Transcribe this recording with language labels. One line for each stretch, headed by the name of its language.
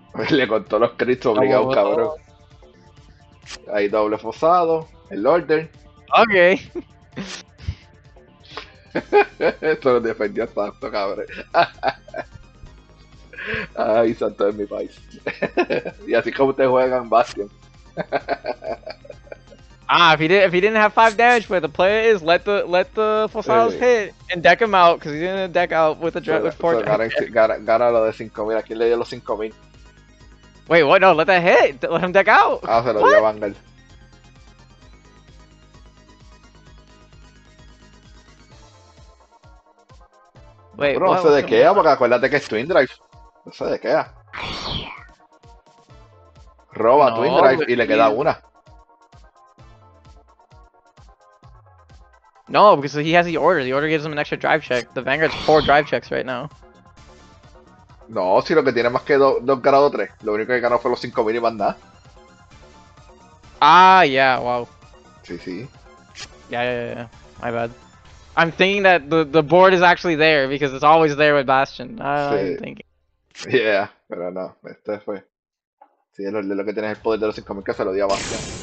Spanish: Le contó los crits obligados, no, cabrón. No. Hay doble fosado, el order. Ok. Esto lo defendió tanto, cabrón. Ay, santo de mi país. Y así como te juegan Bastion.
English: Ah, if he didn't have 5 damage, but the play is let the fosados hit and deck him out, because he's gonna deck out with a dread with 4 damage.
Spanish: Gana lo de 5000, aquí le dio los 5000.
English: Wait, what? No, let that hit. Let him deck out.
Spanish: Ah, se lo dio a Vangel.
English: Wait,
Spanish: bro, no se dequea, porque acuérdate que es Twin Drive. No se dequea. Roba no, Twin Drive y le queda una.
English: No, because he has the order. The order gives him an extra drive check. The Vanguard's 4 drive checks right now.
Spanish: No, si lo que tiene más que 2 grados 3. Lo único que ganó fue los 5 mil y mandá.
English: Ah, yeah, wow.
Spanish: Sí, sí.
English: Yeah. My bad. I'm thinking that the board is actually there because it's always there with Bastion.
Spanish: Yeah, pero no, este fue. Sí, es lo que tiene el poder de los 5000 que se lo dio a Bastion.